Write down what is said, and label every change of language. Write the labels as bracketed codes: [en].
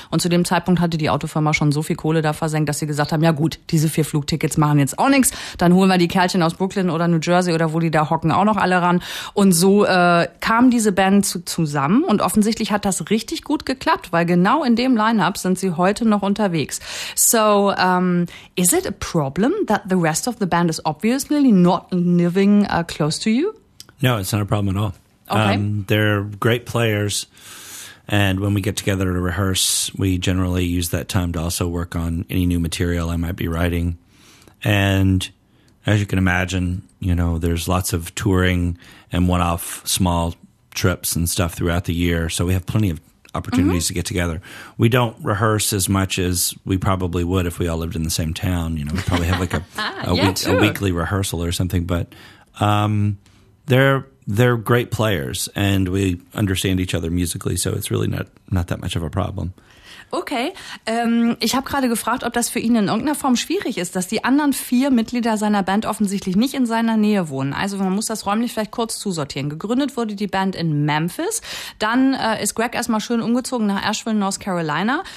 [de] Und zu dem Zeitpunkt hatte die Autofirma schon so viel Kohle da versenkt, dass sie gesagt haben, ja gut, diese vier Flugtickets machen jetzt auch nichts. Dann holen wir die Kerlchen aus Brooklyn oder New Jersey oder wo die da hocken, auch noch alle ran. Und so kam diese Band zusammen. Und offensichtlich hat das richtig gut geklappt, weil genau in dem Lineup sind sie heute noch unterwegs. [en] So, is it a problem that the rest of the band is obviously not living close to you? No, it's not a problem at all. Okay. They're great players, and when we get together to rehearse, we generally use that time to also work on any new material I might be writing. And as you can imagine, you know, there's lots of touring and one-off small trips and stuff throughout the year, so we have plenty of opportunities mm-hmm. to get together. We don't rehearse as much as we probably would if we all lived in the same town. You know, we probably have like a weekly rehearsal or something. But they're great players, and we understand each other musically, so it's really not that much of a problem. [de] Okay, ich habe gerade gefragt, ob das für ihn in irgendeiner Form schwierig ist, dass die anderen vier Mitglieder seiner Band offensichtlich nicht in seiner Nähe wohnen. Also man muss das räumlich vielleicht kurz zusortieren. Gegründet wurde die Band in Memphis, dann ist Greg erstmal schön umgezogen nach Asheville, North Carolina.